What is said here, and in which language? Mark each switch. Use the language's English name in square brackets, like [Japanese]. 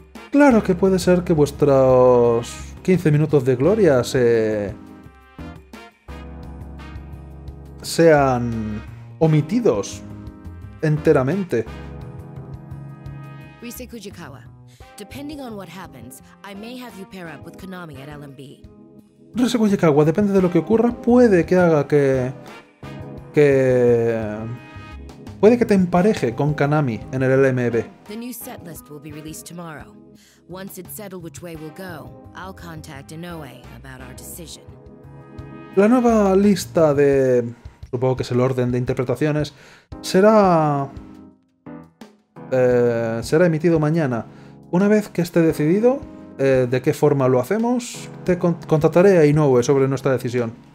[Spanish] Claro que puede ser que vuestros 15 minutos de gloria sean omitidos enteramente. [English] Risei Kujikawa, depending on what happens, I may have you pair up with Konami at LMB. [Spanish] Risei Kujikawa, depende de lo que ocurra, puede que haga que te empareje con Konami en el LMB. [English] The new set list will be released tomorrow. Once it's settled which way we'll go, I'll contact Inoue about our decision. [Spanish] La nueva lista de, supongo que es el orden de interpretaciones, será emitido mañana. Una vez que esté decidido de qué forma lo hacemos, te contactaré a Inoue sobre nuestra decisión.